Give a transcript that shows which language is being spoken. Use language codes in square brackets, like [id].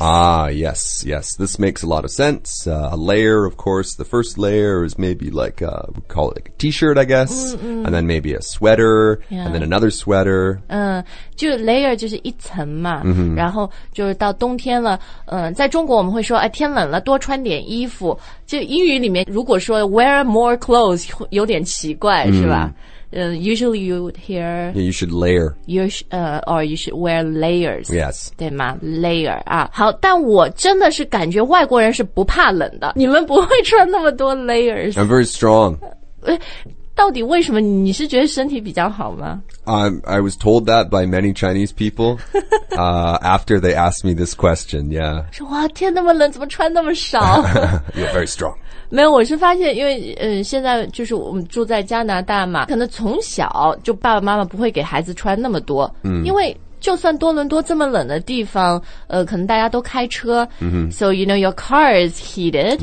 [en] 啊 yes, yes This makes a lot of sense. A layer, of course, the first layer is maybe like, we call it like a t-shirt, I guess. And then maybe a sweater, and then another sweater. [zh] 就 layer 就是一层嘛。然后就是到冬天了，在中国我们会说，哎，天冷了，多穿点衣服。就英语里面如果说 [en] wear more clothes [zh] 有点奇怪，是吧？ [en] Usually you would hear... Yeah, you should layer. Or you should wear layers. Yes. [zh] 对吗?Layer. 啊，好，但我真的是感觉外国人是不怕冷的。你们不会穿那么多 layers. [en] I'm very strong. [zh] 到底为什么你是觉得身体比较好吗? [en] I was told that by many Chinese people after they asked me this question, yeah. [zh] 说哇天那么冷怎么穿那么少? [en] You're very strong. [zh] 没有我是发现因为现在就是我们住在加拿大嘛可能从小就爸爸妈妈不会给孩子穿那么多、因为就算多伦多这么冷的地方可能大家都开车、 [en] So you know your car is heated